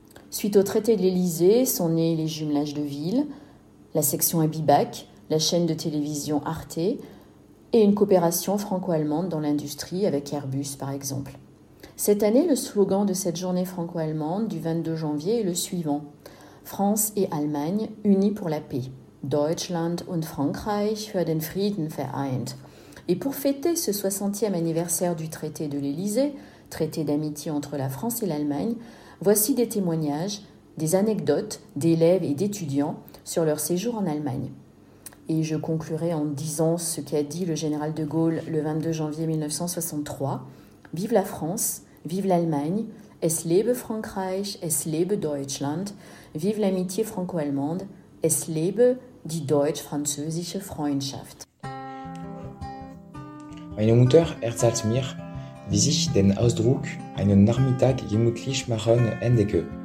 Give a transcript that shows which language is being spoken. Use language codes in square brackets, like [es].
[fr] Suite au traité de l'Élysée, sont nés les jumelages de ville, la section Abibac, la chaîne de télévision Arte et une coopération franco-allemande dans l'industrie avec Airbus par exemple. Cette année, le slogan de cette journée franco-allemande du 22 janvier est le suivant. France et Allemagne unies pour la paix. [de] Deutschland und Frankreich für den Frieden vereint. [fr] Et pour fêter ce 60e anniversaire du traité de l'Élysée, traité d'amitié entre la France et l'Allemagne, voici des témoignages, des anecdotes d'élèves et d'étudiants sur leur séjour en Allemagne. Et je conclurai en disant ce qu'a dit le général de Gaulle le 22 janvier 1963. Vive la France, vive l'Allemagne, [de] es lebe Frankreich, es lebe Deutschland, [fr] vive l'amitié franco-allemande, [de] es lebe die deutsch-französische Freundschaft. Meine Mutter erzählt mir, wie sich den Ausdruck einen Nachmittag gemütlich machen endete.